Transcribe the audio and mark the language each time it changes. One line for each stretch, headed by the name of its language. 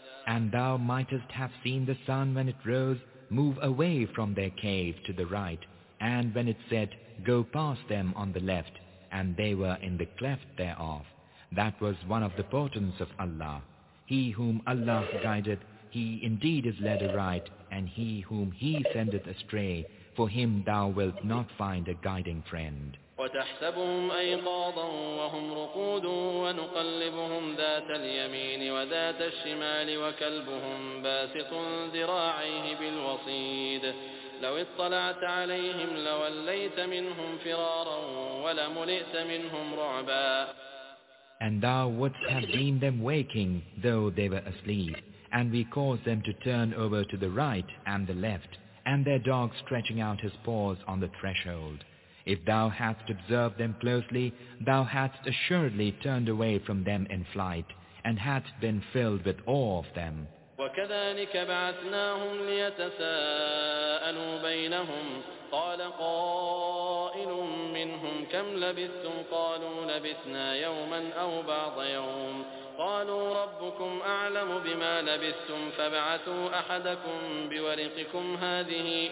English: And thou mightest have seen the sun when it rose move away from their cave to the right, and when it set, go past them on the left, and they were in the cleft thereof. That was one of the portents of Allah. He whom Allah guideth, he indeed is led aright, and he whom he sendeth astray, for him thou wilt not find a guiding friend.
Arabic: وتحسبهم أيقاظا وهم رقود ونقلبهم ذات اليمين وذات الشمال وكلبهم باسط ذراعيه بالوصيد لو اطلعت عليهم لوليت منهم فرارا ولملئت منهم رعبا.
English: And thou wouldst have deemed them waking though they were asleep, and we caused them to turn over to the right and the left, and their dog stretching out his paws on the threshold. If thou hadst observed them closely, thou hadst assuredly turned away from them in flight, and hadst been filled with awe of them.
Arabic: وَكَذَلِكَ بَعَثْنَاهُمْ لِيَتَسَاءَلُوا بَيْنَهُمْ قَالَ قَائِلٌ مِّنْهُمْ كَمْ لَبِثْتُمْ قَالُوا لَبِثْنَا يَوْمًا أَوْ بَعْضَ يَوْمٍ قالوا ربكم أعلم بما لبثتم فابعثوا أحدكم بورقكم هذه